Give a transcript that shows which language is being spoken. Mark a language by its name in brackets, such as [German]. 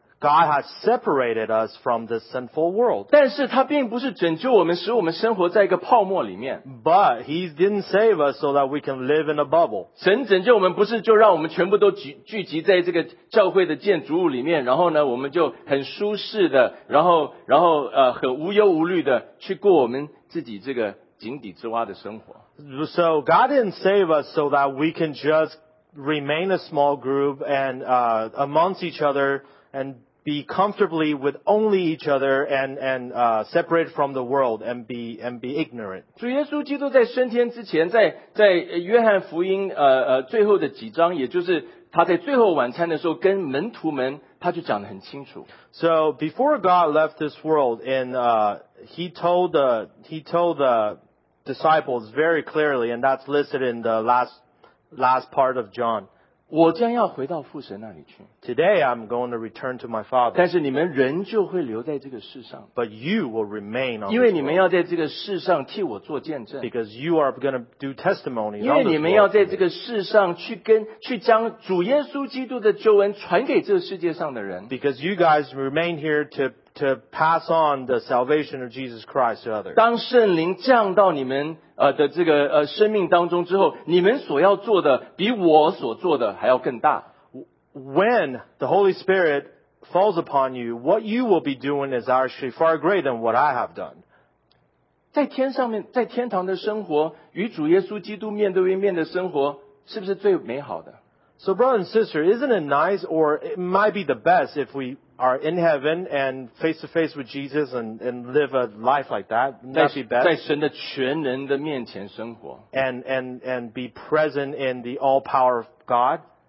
[English] God has separated us from this sinful world. [Chinese] 但是他并不是拯救我们使我们生活在一个泡沫里面。 [English] But he didn't save us so that we can live in a bubble. [Chinese] 神拯救我们不是就让我们全部都聚集在这个教会的建筑物里面然后呢我们就很舒适的然后很无忧无虑的去过我们自己这个井底之蛙的生活。 [English] So God didn't save us so that we can just remain a small group and amongst each other and be comfortably with only each other and separate from the world and be ignorant. [Chinese] 主耶稣基督在升天之前在约翰福音最后的几章也就是他在最后晚餐的时候跟门徒们他就讲得很清楚。 [English] So before God left this world and he told the disciples very clearly and that's listed in the last part of John. [Chinese] 我将要回到父神那里去。 [English] Today I'm going to return to my father. [Chinese] 但是你们仍旧会留在这个世上。 [English] But you will remain on this world. [Chinese] 因为你们要在这个世上替我做见证。 [English] Because you are going to do testimony. [Chinese] 因为你们要在这个世上去将主耶稣基督的救恩传给这个世界上的人。 [English] Because you guys remain here to pass on the salvation of Jesus Christ to others. [Chinese] 当圣灵降到你们的这个生命当中之后你们所要做的比我所做的还要更大。 [English] When the Holy Spirit falls upon you, what you will be doing is actually far greater than what I have done. [Chinese] 在天上面在天堂的生活与主耶稣基督面对面的生活是不是最美好的？ [English] So brother and sister, isn't it nice or it might be the best if we are in heaven and face to face with Jesus and live a life like that. That'd be best. [Chinese] 在神的全能的面前生活。 [English] And be present in the all power of God.